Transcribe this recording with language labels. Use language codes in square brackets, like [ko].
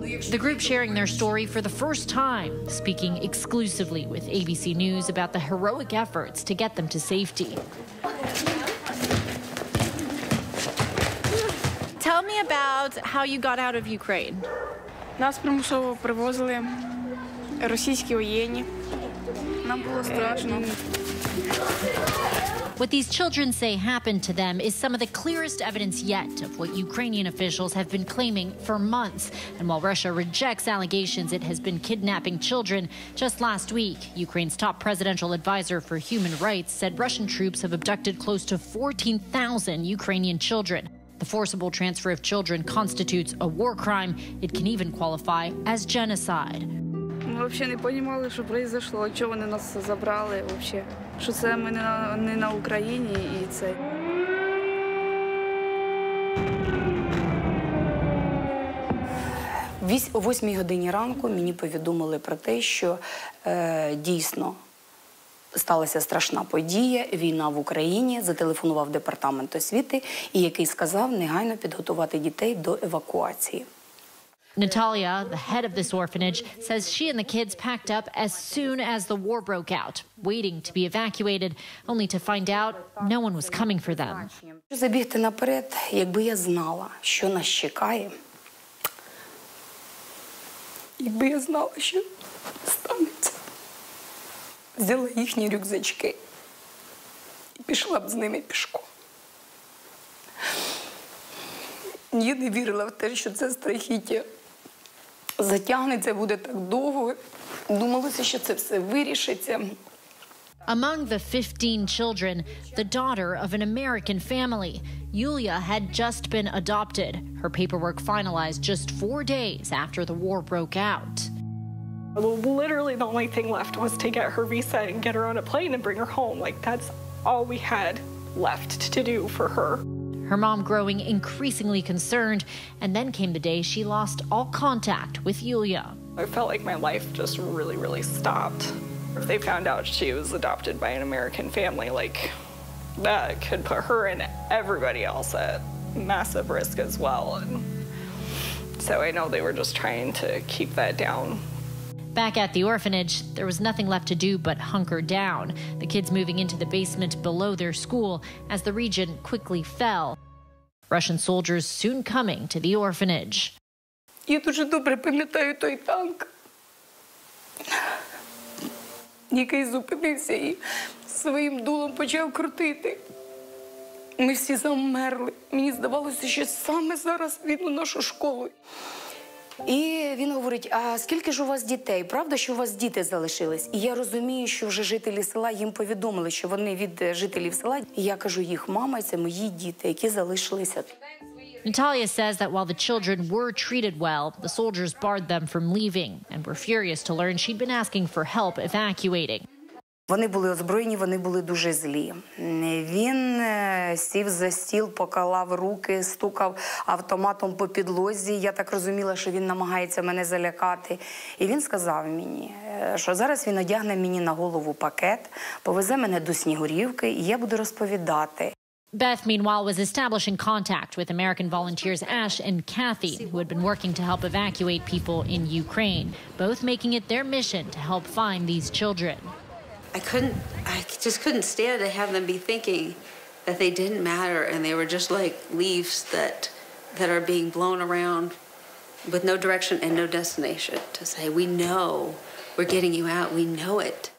[en] The group sharing their story for the first time, speaking exclusively with ABC News about the heroic efforts to get them to safety. Tell me about how you got out of Ukraine. [uk] Нас примусово привозили російські воєнні. Нам було страшно. [en] What these children say happened to them is some of the clearest evidence yet of what Ukrainian officials have been claiming for months. And while Russia rejects allegations it has been kidnapping children, just last week, Ukraine's top presidential advisor for human rights said Russian troops have abducted close to 14,000 Ukrainian children. The forcible transfer of children constitutes a war crime. It can even qualify as genocide. [uk] Ми [ru] вообще не понимали, [uk] що [ru] произошло, [uk] чого вони нас забрали [ru] вообще. [uk] Що це ми не на Україні і це. О 8 годині ранку мені повідомили про те, що дійсно сталася страшна подія, війна в Україні. Зателефонував департамент освіти, і який сказав негайно підготувати дітей до евакуації. [en] Natalia, the head of this orphanage, says she and the kids packed up as soon as the war broke out, waiting to be evacuated, only to find out no one was coming for them. [uk] Забігти наперед, якби я знала, що нас чекає. Якби я знала, що станеться. Взяла їхні рюкзачки і пішла б з ними пішком. Я не вірила в те, що це страхіття. Затягнеться, буде так довго. Думалося, що це все вирішиться. [en] Among the 15 children, the daughter of an American family, Yulia had just been adopted. Her paperwork finalized just 4 days after the war broke out. Literally, the only thing left was to get her visa and get her on a plane and bring her home. Like, that's all we had left to do for her. Her mom growing increasingly concerned, and then came the day she lost all contact with Yulia. I felt like my life just really, really stopped. If they found out she was adopted by an American family, like, that could put her and everybody else at massive risk as well. And So I know they were just trying to keep that down. Back at the orphanage, there was nothing left to do but hunker down. The kids moving into the basement below their school as the region quickly fell. Russian soldiers soon coming to the orphanage. [uk] Я дуже добре пам'ятаю той танк, який зупинився і своїм дулом почав крутити. Ми всі замерли. Мені здавалося, що саме зараз він у нашу школу. І він говорить, а скільки ж у вас дітей? Правда, що у вас діти залишились? І я розумію, що вже жителі села їм повідомили, що вони від жителів села. І я кажу, їх мама, це мої діти, які залишилися. Наталія [en] says that while the children were treated well, the soldiers barred them from leaving and were furious to learn she'd been asking for help evacuating. [uk] Вони були озброєні, вони були дуже злі. Він сів за стіл, поклав руки, стукав автоматом по підлозі. Я так розуміла, що він намагається мене залякати. І він сказав мені, що зараз він одягне мені на голову пакет, повезе мене до Снігурівки, і я буду розповідати. [en] Beth, meanwhile, was establishing contact with American volunteers Ash and Kathy, who had been working to help evacuate people in Ukraine, both making it their mission to help find these children. I just couldn't stand to have them be thinking that they didn't matter and they were just like leaves that are being blown around with no direction and no destination to say, we know we're getting you out, we know it.